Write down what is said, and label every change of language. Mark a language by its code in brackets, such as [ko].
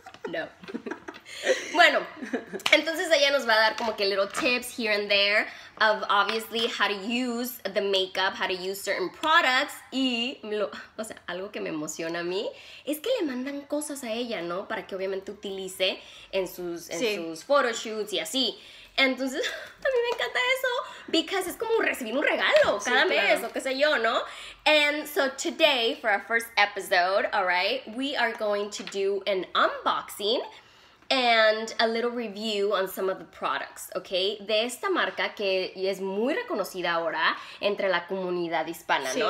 [es] No. Bueno, entonces ella nos va a dar como que [en] little tips here and there of obviously how to use the makeup, how to use certain products. [es] Y, o sea, algo que me emociona a mí es que le mandan cosas a ella, ¿no? Para que obviamente utilice en sus photoshoots y así. Entonces, a mí me encanta eso because es como recibir un regalo cada sí, mes, claro. O qué sé yo, ¿no? [en] And so today, for our first episode, all right, we are going to do an unboxing and a little review on some of the products, okay? [es] De esta marca que es muy reconocida ahora entre la comunidad hispana, sí. ¿No?